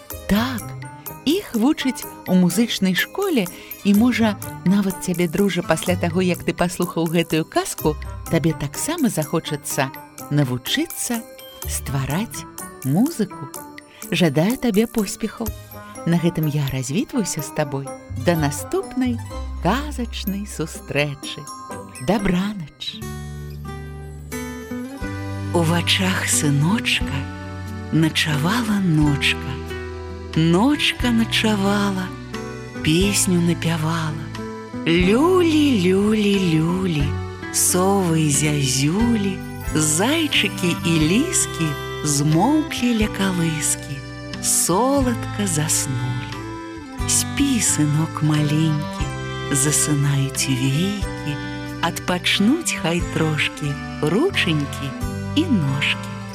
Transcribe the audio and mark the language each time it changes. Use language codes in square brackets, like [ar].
[be] Так, іх вучыць у музычнай школе, і, можа, нават цябе, дружа, пасля таго, як ты паслухаў гэтую казку, табе таксама захочацца навучыцца ствараць музыку. Жадаю табе поспехаў! На гэтым я развітваюся з табой. До наступнай казачнай сустрэчы. Дабраноч. У вачах сыночка начавала ночка. Ночка начавала, песню напявала. Люлі-люлі-люлі, совы і зязюлі, зайчыкі і ліскі змоўклі ля калыскі. [uk] Солодко заснули. Спи, сынок маленький, засынають вейки, отпочнуть хай трошки рученьки и ножки.